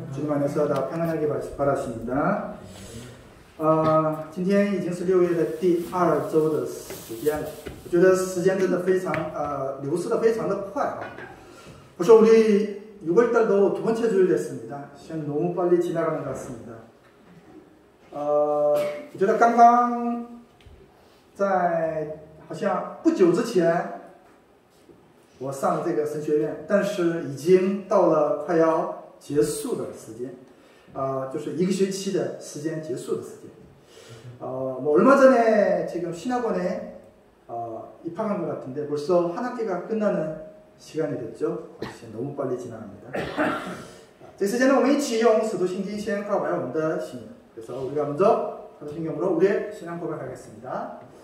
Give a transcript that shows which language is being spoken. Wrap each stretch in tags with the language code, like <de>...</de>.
<ko>안에서 다 평안하게 바랐습니다.</ko> <zh>今天已经是六月的第二周的时间，觉得时间真的非常流逝的非常的快啊。我说</zh> <ko>우리 6월 달도 두 번째 주일 됐습니다. 시간 너무 빨리 지나가는 것 같습니다.</ko> <zh>我觉得刚刚在好像不久之前我上了这个神学院，但是已经到了快要结束的时间，就是一个学期的时间结束的时间。</zh> <ko>얼마 전에 지금 신학원에 입학한 것 같은데 벌써 한 학기가 끝나는 시간이 됐죠. 시간 너무 빨리 지나갑니다.</ko> <zh>这时间呢，我们一起用《使徒行经》先告白我们的信仰。</zh> <ko>그래서 우리가 먼저 사도신경으로 우리의 신앙 고백하겠습니다.</ko>